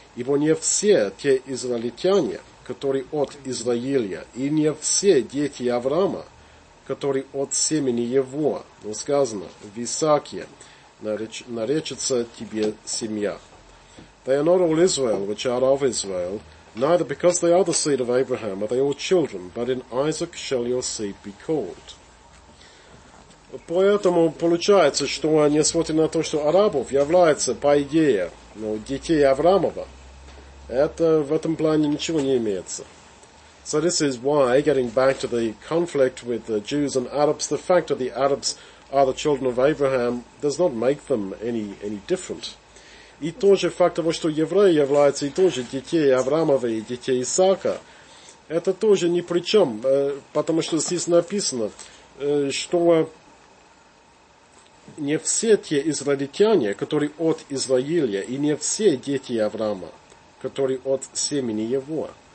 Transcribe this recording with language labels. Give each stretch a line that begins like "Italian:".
Russian: Ибо не все те израильтяне, которые от Израиля, и не все дети Авраама, которые от семени его, но сказано, в Исааке наречется тебе семья.
English: They are not all Israel, which are of Israel, neither because they are the seed of Abraham are they all children, but in Isaac shall your seed be called.
Russian: Поэтому получается, что несмотря на то, что арабов является, по идее, детей Авраамова, это в этом плане ничего не имеется.
English: So this is why, getting back to the conflict with the Jews and Arabs, the fact that the Arabs are the children of Abraham does not make them any different.
Russian: И тоже факт того, что евреи являются и тоже детей Авраамова и детей Исаака, это тоже ни при чем, потому что здесь написано, что не все те израильтяне, которые от Израиля, и не все дети Авраама, которые от семени его.